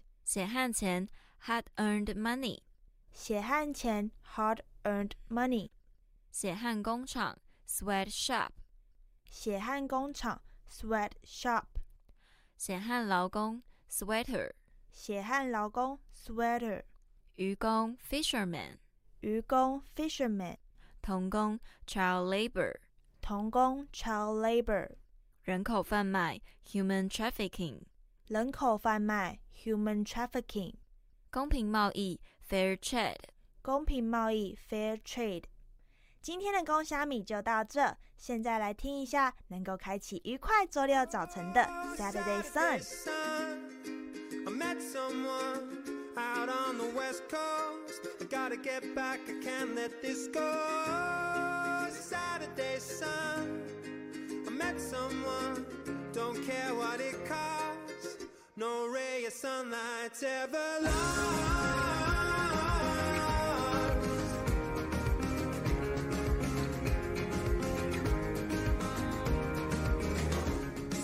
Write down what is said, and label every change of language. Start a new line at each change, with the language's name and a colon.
Chinese: 血汗钱 ，hard earned money。血汗钱 ，hard earned money。血汗工厂 ，sweat shop。血汗工厂 ，sweat shop。血汗劳工 ，sweater。血汗劳工 ，sweater。渔工 ，fisherman。渔工 ，fisherman。童工 ，child labor。童工 ，child labor。人口贩卖 ，human trafficking。人口贩卖 ，human trafficking。公平贸易 ，fair trade。公平贸易 ，fair trade。今天的公虾米就到这，现在来听一下能够开启愉快周六早晨的 Saturday Sun。
English: I met someone out on the west coast. I gotta get back, I can't let this go. Saturday Sun. I met someone, don't care what it costs. No ray of sunlight's ever lost.